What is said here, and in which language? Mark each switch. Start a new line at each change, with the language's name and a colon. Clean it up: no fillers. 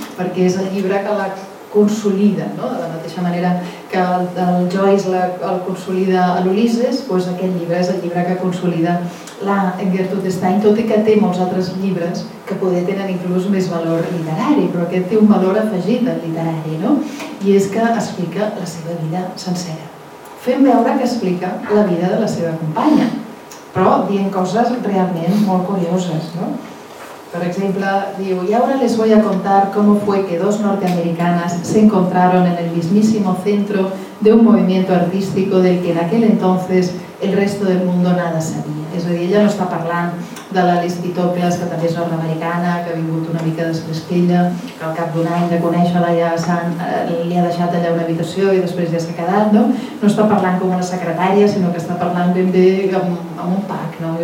Catalan: Perquè és el llibre que la consolida, no? De la mateixa manera que el Joyce el consolida a l'Ulisses, doncs aquest llibre és el llibre que consolida la Gertrude Stein, tot i que té molts altres llibres que poder tenen inclús més valor literari, però aquest té un valor afegit al literari, no? I és que explica la seva vida sencera. Fem veure que explica la vida de la seva companya, però dient coses realment molt curioses, no? Per exemple, diu,
Spanish: y ahora les voy a contar cómo fue que dos norteamericanas se encontraron en el mismísimo centro de un movimiento artístico del que en aquel entonces el resto del mundo nada sabía.
Catalan: És a dir, ella no està parlant de l'Alice Vitocles, que també és nord-americana, que ha vingut una mica després que ella, que al cap d'un any de conèixer-la ja li ha deixat allà una habitació i després ja s'ha quedat, no? No està parlant com una secretària, sinó que està parlant ben bé amb un pack, no?